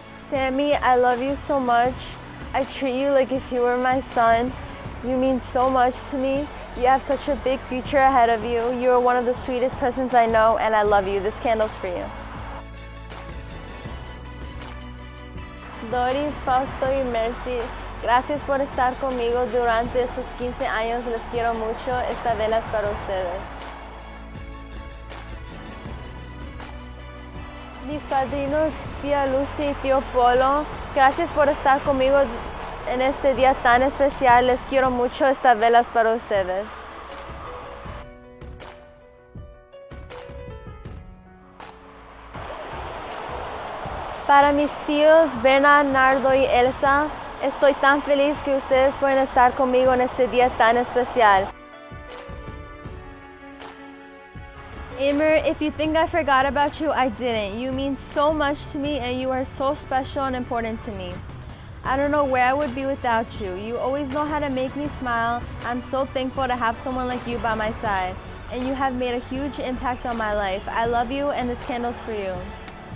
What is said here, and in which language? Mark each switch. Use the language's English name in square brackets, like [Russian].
[English] Sammy, I love you so much. I treat you like if you were my son. You mean so much to me. You have such a big future ahead of you. You are one of the sweetest persons I know, and I love you. This candle's for you. [Spanish] Doris, Fausto y Mercy, gracias por estar conmigo durante estos 15 años. Les quiero mucho. Esta vela es para ustedes. Mis padrinos, tía Lucy y tío Polo, gracias por estar conmigo en este día tan especial. Les quiero mucho. Estas velas para ustedes. Para mis tíos, Bernard, Nardo y Elsa, estoy tan feliz que ustedes pueden estar conmigo en este día tan especial. [English] Amir, if you think I forgot about you, I didn't. You mean so much to me and you are so special and important to me. I don't know where I would be without you. You always know how to make me smile. I'm so thankful to have someone like you by my side. And you have made a huge impact on my life. I love you and this candle's for you.